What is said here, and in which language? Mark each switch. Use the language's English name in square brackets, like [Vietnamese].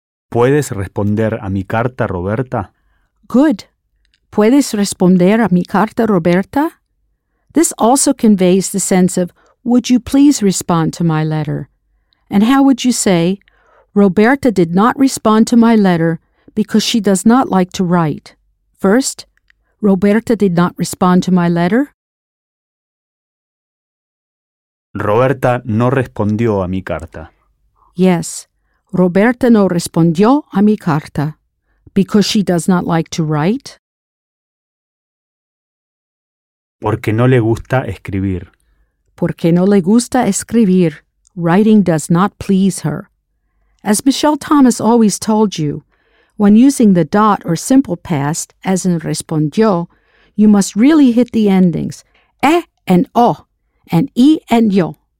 [Spanish] ¿Puedes responder a mi carta, Roberta? [English] Good. [Spanish] ¿Puedes responder a mi carta, Roberta? [English] This also conveys the sense of, would you please respond to my letter? And how would you say, Roberta did not respond to my letter because she does not like to write? First, Roberta did not respond to my letter. [Spanish] Roberta no respondió a mi carta. [English] Yes, [Spanish] Roberta no respondió a mi carta [English] because she does not like to write. [Spanish] Porque no le gusta escribir. Porque no le gusta escribir. [English] Writing does not please her. As Michelle Thomas always told you, when using the dot or simple past, as in respondió, you must really hit the endings, e and o, and e and yo.